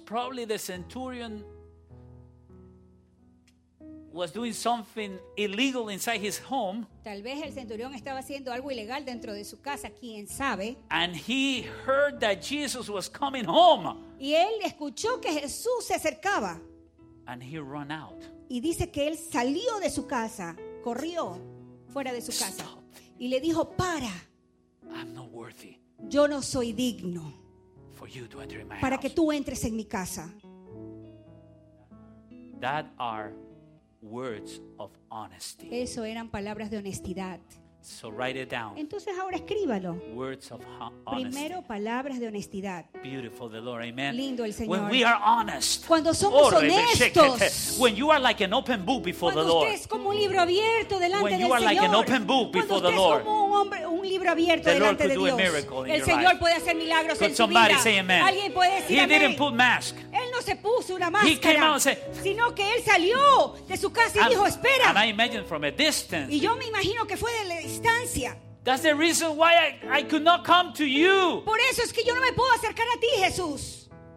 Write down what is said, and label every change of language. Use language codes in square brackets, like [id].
[en] Probably the centurion was doing something illegal inside his home. [es] Tal vez el centurión estaba haciendo algo ilegal dentro de su casa, quién sabe. [en] And he heard that Jesus was coming home. [es] Y él escuchó que Jesús se acercaba. [en] And he ran out. [es] Y dice que él salió de su casa, corrió fuera de su casa. [en] Stop. [es] Y le dijo, "Para. [en] I'm not worthy. [es] Yo no soy digno. [en] For you to enter my house. [es] Para que tú entres en mi casa." [en] That are words of honesty. [es] Eso eran palabras de honestidad. [en] So write it down. [es] Entonces ahora escríbalo. [en] Words of honesty. [es] Primero palabras de honestidad. [en] Beautiful, the Lord, amen. [es] Lindo el Señor. [en] When we are honest. [es] Cuando somos honestos. [en] When you are like an open book before the Lord. [es] Cuando usted es como un libro abierto delante del Señor. [en] When you are like an open book before the Lord. [es] Cuando usted es como un libro abierto delante de Dios. El Señor puede hacer milagros en su vida. Alguien puede decir amén. [en] He didn't put mask. [es] Él no se puso una máscara. [en] He came out and said, [es] sino que él salió de su casa y dijo, espera. [en] And I imagine from a distance. [es] Y yo me imagino que fue de la distancia. [en] That's the reason why I could not come to you. [es] Por eso es que yo no me puedo acercar a ti, Jesús.